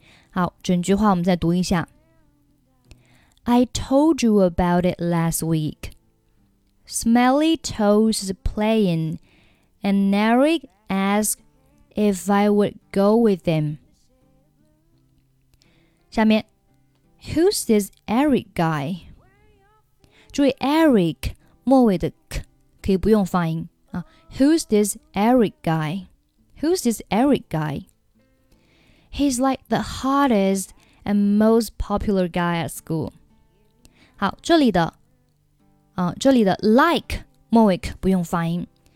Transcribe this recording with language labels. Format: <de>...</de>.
<zh>好，整句话我们再读一下。</zh> <en>I told you about it last week. Smelly Toes is playing, and Eric asked if I would go with them.</en> <zh>下面</zh> <en>Who's this Eric guy?</en> <zh>注意 Eric 末尾的 k 可以不用发音、Who's this Eric guy?</zh> <en>Who's this Eric guy? He's like the hottest and most popular guy at school.</en> <zh>好，这里的、这里的 like 末尾 k 不用发音。</zh>